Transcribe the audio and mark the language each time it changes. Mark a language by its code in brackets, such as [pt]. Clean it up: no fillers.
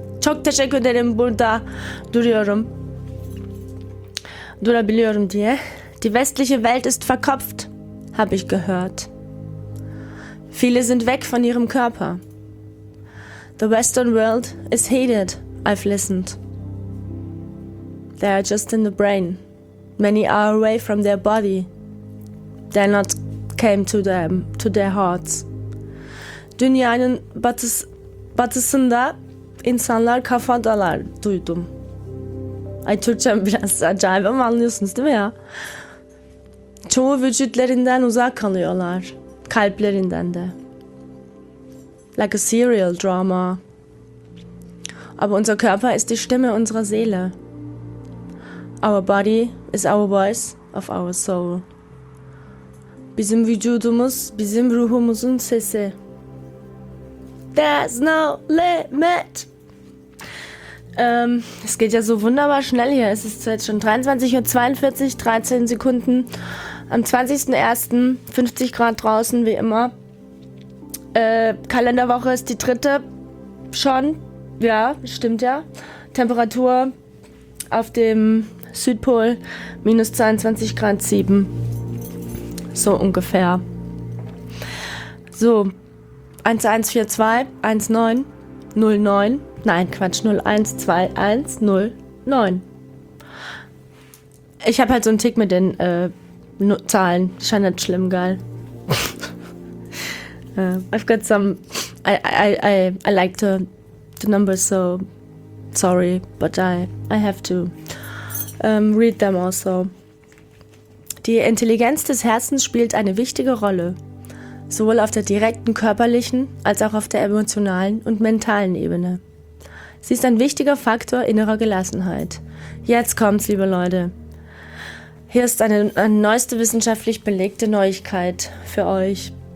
[tr] Çok teşekkür ederim burada duruyorum. Durabiliyorum diye. [de] Die westliche Welt ist verkopft, habe ich gehört. Viele sind weg von ihrem Körper. [en] The Western world is hated, I've listened. They are just in the brain. Many are away from their body. They're not came to them, to their hearts. [tr] Dünyanın batısında insanlar kafadalar duydum. Ay Türkçem biraz acayip ama anlıyorsunuz değil mi ya? çoğu vücutlarından uzak kalıyorlar, kalplerinden de. [en] Like a serial drama. [de] Aber unser Körper ist die Stimme unserer Seele. [en] Our body is our voice of our soul. [tr] Bizim vücudumuz, bizim ruhumuzun sesi. [en] There's no limit. [de] Es geht ja so wunderbar schnell hier. Es ist jetzt schon 23.42 Uhr, 13 Sekunden. Am 20.01. 50 Grad draußen, wie immer. Kalenderwoche ist die dritte schon. Ja, stimmt ja. Temperatur auf dem Südpol minus 22 Grad 7. So ungefähr. So, 1142, 19, 09. Nein, Quatsch, 01-2-1-0-9. Ich habe halt so einen Tick mit den Zahlen. Scheint nicht schlimm, geil. [en] I've got some... I like the numbers, so sorry, but I have to read them also. [de] Die Intelligenz des Herzens spielt eine wichtige Rolle, sowohl auf der direkten körperlichen als auch auf der emotionalen und mentalen Ebene. Sie ist ein wichtiger Faktor innerer Gelassenheit. Jetzt kommt's, liebe Leute. Hier ist eine neueste wissenschaftlich belegte Neuigkeit für euch.